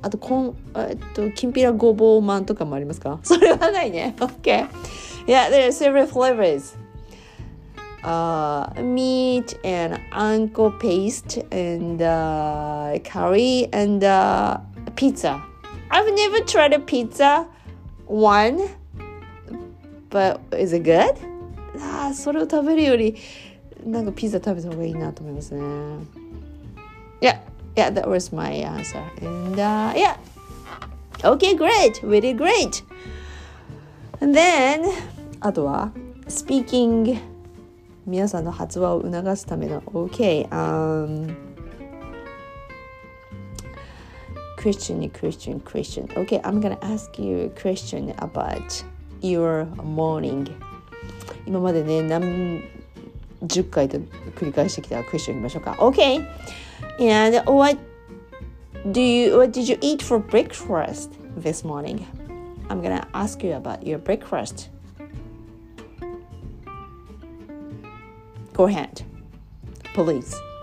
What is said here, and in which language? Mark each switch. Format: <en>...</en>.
<ja>あと、きんぴらごぼうマンとかもありますか？それはないね。</ja> <en>OK。 Yeah, there are several flavors. Meat and anko paste and curry and pizza. I've never tried a pizza one, but is it good?</en> <ja>それを食べるより、なんかピザ食べた方がいいなと思いますね。</ja> <en>Yeah, yeah, that was my answer. And yeah, okay, great, we did great. And then,</en> <ja>あとは speaking 皆さんの発話を促すための okay, Christian.</ja> <en>Okay, I'm gonna ask you a question about your morning.</en> <ja>今までね、何十回と繰り返してきたクエスチョンいきましょうか。</ja> <en>Okay. And what did you eat for breakfast this morning? I'm gonna ask you about your breakfast. Go ahead. Please.</en>